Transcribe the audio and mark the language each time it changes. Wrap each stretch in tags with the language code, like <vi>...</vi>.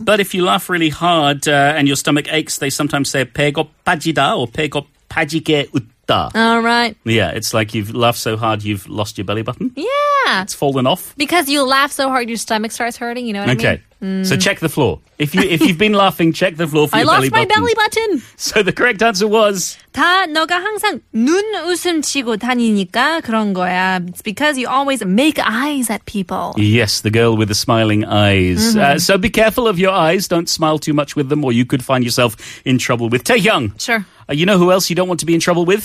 <en>But if you laugh really hard and your stomach aches, they sometimes say</en> <ko>배꼽 빠지다</ko> <en>or</en> <ko>배꼽 빠지게 웃다.</ko> <en>All right. Yeah, it's like you've laughed so hard you've lost your belly button. Yeah. It's fallen off. Because you laugh so hard your stomach starts hurting, you know what okay. I mean? Okay. Mm. So check the floor. If you've been laughing, check the floor for your belly button. I lost my belly button. So the correct answer was...</en> <ko>다 너가 항상 눈 웃음 치고 다니니까 그런 거야.</ko> <en>It's because you always make eyes at people. Yes, the girl with the smiling eyes. Mm-hmm. So be careful of your eyes. Don't smile too much with them or you could find yourself in trouble with Taehyung. Sure. You know who else you don't want to be in trouble with?</en>